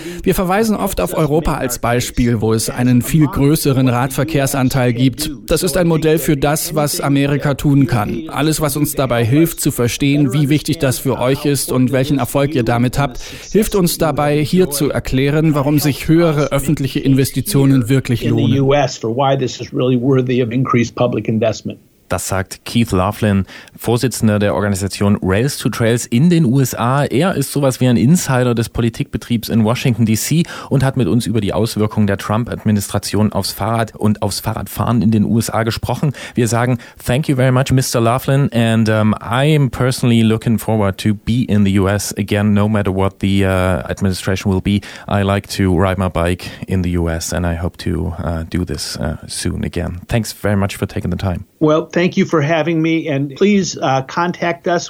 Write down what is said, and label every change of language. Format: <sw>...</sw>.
<de>Wir verweisen oft auf Europa als Beispiel, wo es einen viel größeren Radverkehrsanteil gibt. Das ist ein Modell für das, was Amerika tun kann. Alles, was uns dabei hilft, zu verstehen, wie wichtig das für euch ist und welchen Erfolg ihr damit habt, hilft uns dabei, hier zu erklären, warum sich höhere öffentliche Investitionen wirklich lohnen.</de> <en>For why this is really worthy of increased public investment.</en> <de>Das sagt Keith Laughlin, Vorsitzender der Organisation Rails to Trails in den USA. Er ist sowas wie ein Insider des Politikbetriebs in Washington D.C. und hat mit uns über die Auswirkungen der Trump-Administration aufs Fahrrad und aufs Fahrradfahren in den USA gesprochen. Wir sagen</de> <en>thank you very much, Mr. Laughlin, and I am personally looking forward to be in the U.S. again, no matter what the administration will be. I like to ride my bike in the U.S. and I hope to do this soon again. Thanks very much for taking the time. Well, thank you for having me and please contact us.</en>